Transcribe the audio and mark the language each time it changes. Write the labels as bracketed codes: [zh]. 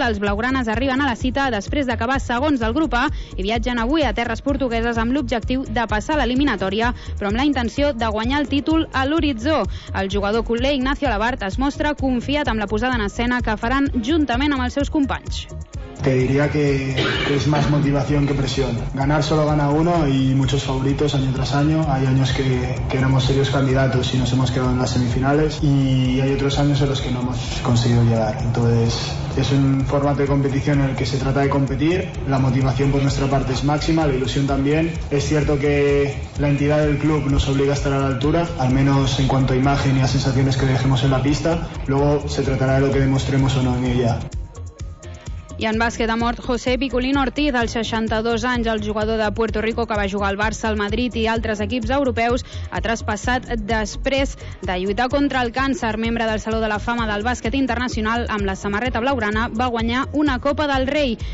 [ca] Els blaugranes arriben a la cita després d'acabar segons del grup A i viatgen avui a terres portugueses amb l'objectiu de passar l'eliminatòria, però amb la intenció de guanyar el títol a l'horitzó. El jugador culé Ignacio Labart es mostra confiat amb la posada en escena que faran juntament amb els seus companys. [es] Te diría que es más motivación que presión. Ganar solo gana uno y muchos favoritos año tras año. Hay años que éramos serios candidatos y nos hemos quedado en las semifinales y hay otros años en los que no hemos conseguido llegar. Entonces, es un formato de competición en el que se trata de competir. La motivación por nuestra parte es máxima, la ilusión también. Es cierto que la entidad del club nos obliga a estar a la altura, al menos en cuanto a imagen y a sensaciones que dejemos en la pista. Luego se tratará de lo que demostremos o no en ella. [ca] I en bàsquet ha mort José Piculín Ortiz, als 62 anys. El jugador de Puerto Rico, que va jugar al Barça, al Madrid i altres equips europeus, ha traspassat després de lluitar contra el càncer. Membre del Saló de la Fama del Bàsquet Internacional, amb la samarreta blaugrana, va guanyar una Copa del Rei.